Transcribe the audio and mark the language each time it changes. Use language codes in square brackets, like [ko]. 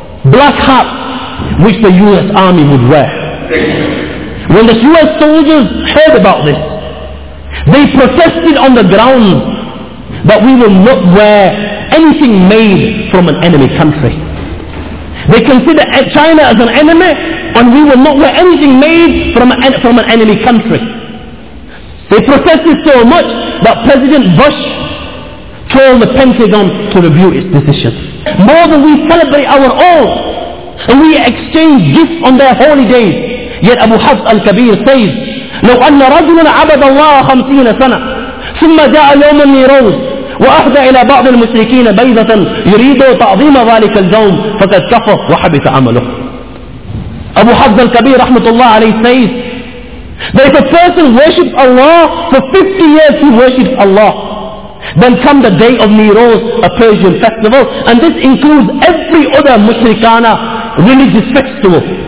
[en] Black hat, which the US Army would wear. When the US soldiers heard about this, they protested on the ground that we will not wear anything made from an enemy country. They consider China as an enemy, and we will not wear anything made from an enemy country. They protested so much that President Bush told the Pentagon to review its decision. More than we celebrate our own, and we exchange gifts on their holy days, yet Abu Hafs al-Kabir says, [ar] لو أن رجلا عبد الله 50 سنة ثم جاء يوم النيروز وأهدى إلى بعض المشركين بيضة يريد تعظيم ذلك اليوم فقد كفر وحبط عمله. أبو حفص الكبير رحمة الله عليه [en] says that if a person worships Allah for 50 years he worships Allah, then come the day of Niroz, a Persian festival, and this includes every other Mushrikana religious festival.